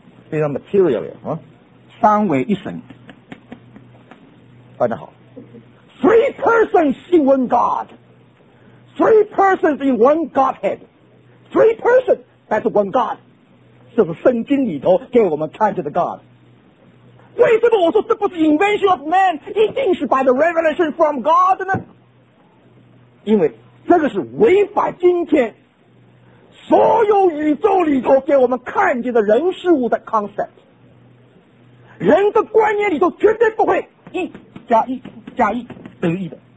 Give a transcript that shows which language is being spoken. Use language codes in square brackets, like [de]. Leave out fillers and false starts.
[zh] 非常 material 啊，三位一神，翻得好。 [en] Three persons in one God, three persons in one Godhead, three persons that's one God， [zh] 这是圣经里头给我们看见的 [en] God。 [zh] 为什么我说这不是 [en] invention of man， [zh] 一定是 [en] by the revelation from God [zh] 呢？因为这个是违反今天所有宇宙里头给我们看见的人事物的 concept， 人的观念里头绝对不会一加一加义得意的。